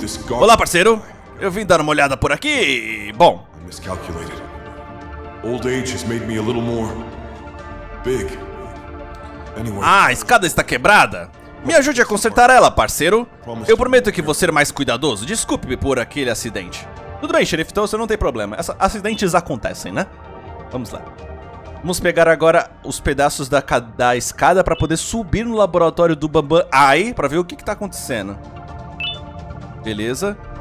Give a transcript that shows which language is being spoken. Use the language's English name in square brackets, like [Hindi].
[Portuguese] Olá, parceiro. Eu vim dar uma olhada por aqui. Bom. [English] I miscalculated. Old age has made me a little more big. [Portuguese] Ah, a escada está quebrada? Me ajude a consertar ela, parceiro. Eu prometo que vou ser mais cuidadoso. Desculpe-me por aquele acidente. Tudo bem, xerife Tosso, não tem problema. Acidentes acontecem, né? Vamos lá. Vamos pegar agora os pedaços da escada pra poder subir no laboratório do Bambam Ai, pra ver o que que tá acontecendo. Beleza.